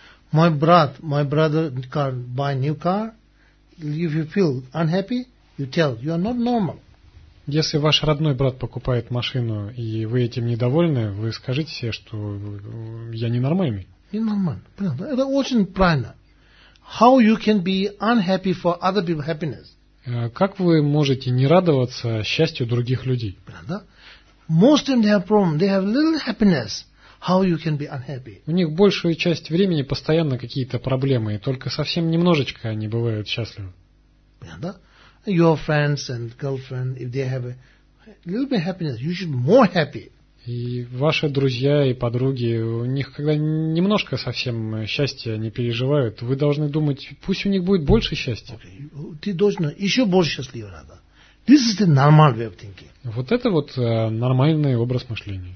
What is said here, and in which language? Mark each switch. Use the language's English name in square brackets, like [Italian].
[English] Мой брат can buy new car. If you feel unhappy, you tell, you are not normal. [Russian] Если ваш родной брат покупает машину, и вы этим недовольны, вы скажите себе, что я ненормальный. Ненормальный. Понятно. Это очень правильно. [English] How you can be unhappy for other people's happiness? [Russian] Как вы можете не радоваться счастью других людей? Правда? [English] Most of them they have problem, they have little happiness. How you can be unhappy? [Russian] У них большую часть времени постоянно какие-то проблемы, и только совсем немножечко они бывают счастливы. Понятно? [English] Your friends and girlfriend, if they have a little bit happiness, you should be more happy. [Russian] И ваши друзья и подруги, у них когда немножко совсем счастья не переживают, вы должны думать, пусть у них будет больше счастья. [English] Okay. [Russian] Ты должен еще больше счастливым надо. [English] This is the normal way of thinking. [Russian] Вот это вот нормальный образ мышления.